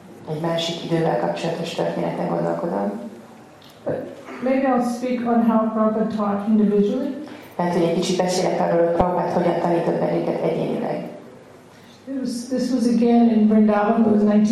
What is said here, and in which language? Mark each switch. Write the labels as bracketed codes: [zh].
[hu] Egy másik idővel kapcsolatos történetre gondolkodom. [en] Maybe I'll speak on how Prabhupada taught individually. [hu] Lehet, hogy egy kicsit beszélek arról, hogy Prabhupada hogyan tanított bennünket egyénileg. [en] This was again in Vrindavan, it was